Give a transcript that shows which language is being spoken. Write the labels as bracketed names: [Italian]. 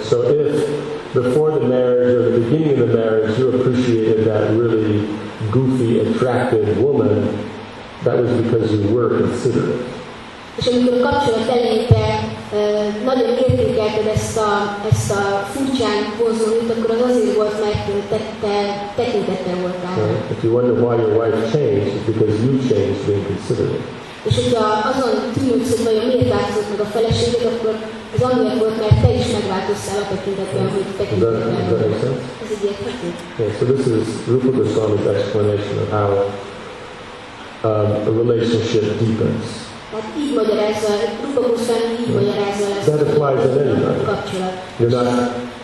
[English] So if before the marriage or the beginning of the marriage you appreciated that really goofy, attractive woman, that was because you were considerate. [Hungarian] És amikor a kapcsolat elején te nagyon értékelted ezt a furcsán vonzó nőt, akkor az azért volt, mert te tekintettel voltál. [English] If you wonder why your wife changed, it's because you changed being considerate. [Hungarian] És hogyha azon tűnődsz, hogy vajon miért változott meg a feleséged, akkor az amiért volt, mert te is megváltoztál a tekintetben, hogy tekintettel voltál. [English] Okay, so this is Rupa Goswami's explanation of how a relationship deepens. That applies to anybody.